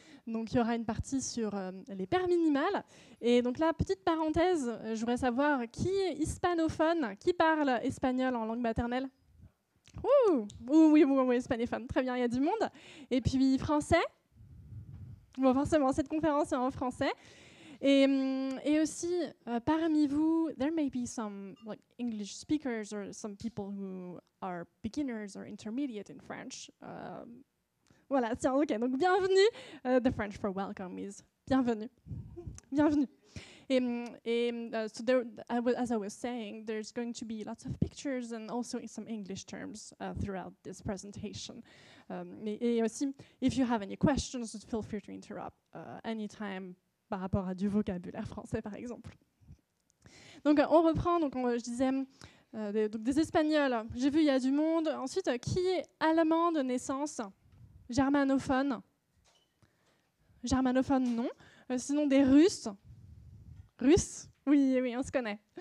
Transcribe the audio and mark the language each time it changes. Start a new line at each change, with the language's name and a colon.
French: Donc, il y aura une partie sur les paires minimales. Et donc là, petite parenthèse, je voudrais savoir qui est hispanophone, qui parle espagnol en langue maternelle? Oui, hispanophone, très bien, il y a du monde. Et puis, français? Bon, forcément, cette conférence est en français. Et aussi, parmi vous,
English: there may be some like English speakers or some people who are beginners or intermediate in French.
French: Voilà, tiens, ok, donc bienvenue.
English: The French for welcome is bienvenue.
French: Bienvenue.
English: As I was saying, there's going to be lots of pictures and also some English terms throughout this presentation.
French: Et aussi,
English: if you have any questions, feel free to interrupt anytime.
French: Par rapport à du vocabulaire français, par exemple. Donc, on reprend. Donc, je disais des Espagnols. J'ai vu, il y a du monde. Ensuite, qui est allemand de naissance, germanophone? Germanophone, non. Sinon, des Russes. Russes? Oui, on se connaît.